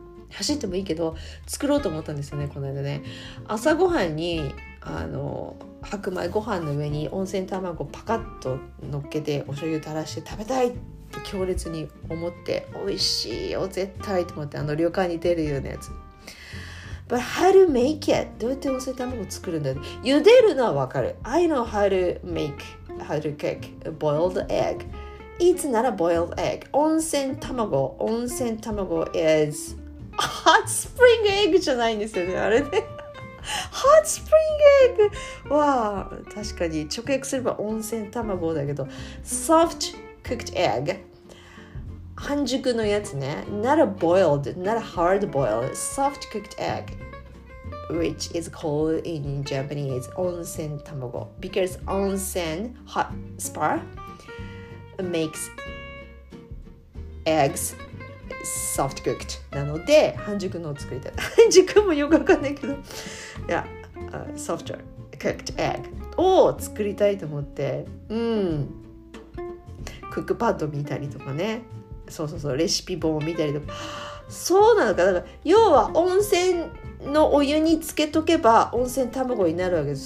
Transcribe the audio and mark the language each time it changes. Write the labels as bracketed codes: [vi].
[ja] 走ってもいいけど作ろうと思ったんですよね、この間ね。朝ごはんにあの白米ご飯の上に温泉卵をパカッと乗っけてお醤油垂らして食べたいって強烈に思って、おいしいよ絶対と思って、あの旅館に出るようなやつ。 [en] But how to make it? [ja] どうやって温泉卵を作るんだろう。茹でるのはわかる。 [en] I know how to make, how to cook boiled egg. It's not a boiled egg. [ja] 温泉卵 [en] is [ja] ハッツスプリングエッグじゃないんですよね、あれね。ハッツスプリングエッグは確かに直訳すれば温泉卵だけど、ソフトクックドエッグ、半熟のやつね。 [en] not a boiled, not a hard boiled, soft cooked egg, which is called in Japanese 温泉卵 because 温泉 hot spa makes eggs soft cooked [ja] なので、半熟のを作りたい。半熟もよくわかんないけど、いや、 [en] soft cooked egg [ja] を作りたいと思って、うん、クックパッド見たりとかね、そうそうそう、レシピ本を見たりとか。そうなのか、だから要は温泉のお湯につけとけば温泉卵になるわけです。